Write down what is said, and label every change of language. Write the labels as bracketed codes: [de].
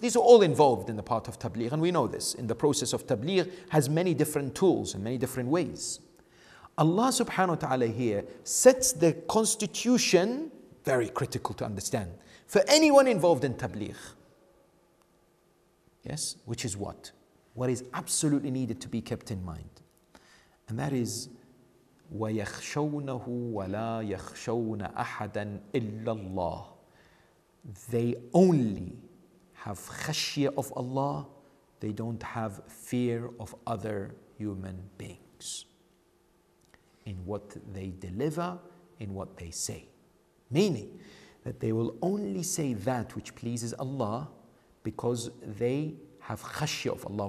[en] These are all involved in the part of tabligh, and we know this. In the process of tabligh has many different tools and many different ways. Allah subhanahu wa ta'ala here sets the constitution, very critical to understand, for anyone involved in tabligh. Yes, which is what? What is absolutely needed to be kept in mind. And that is, [ar] وَيَخْشَوْنَهُ وَلَا يَخْشَوْنَ أَحَدًا إِلَّا اللَّهِ. [en] They only have khashya of Allah. They don't have fear of other human beings in what they deliver, in what they say. Meaning that they will only say that which pleases Allah because they have khashya of Allah.